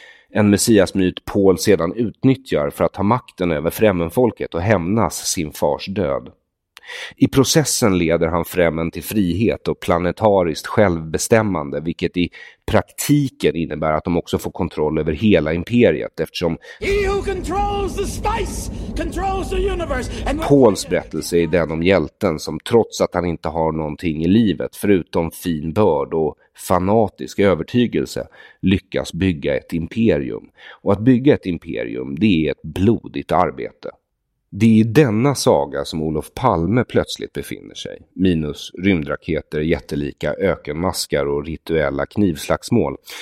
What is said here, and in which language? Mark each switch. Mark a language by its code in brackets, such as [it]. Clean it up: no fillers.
[sv] En messiasmyt Paul sedan utnyttjar för att ta makten över Främmenfolket och hämnas sin fars död. I processen leder han Främmen till frihet och planetariskt självbestämmande, vilket i praktiken innebär att de också får kontroll över hela imperiet, eftersom [en] he who controls the spice controls the universe. [sv] And Pauls berättelse är den om hjälten som, trots att han inte har någonting i livet förutom fin börd och fanatisk övertygelse, lyckas bygga ett imperium. Och att bygga ett imperium, det är ett blodigt arbete. Det är i denna saga som Olof Palme plötsligt befinner sig, minus rymdraketer, jättelika ökenmaskar och rituella knivslagsmål.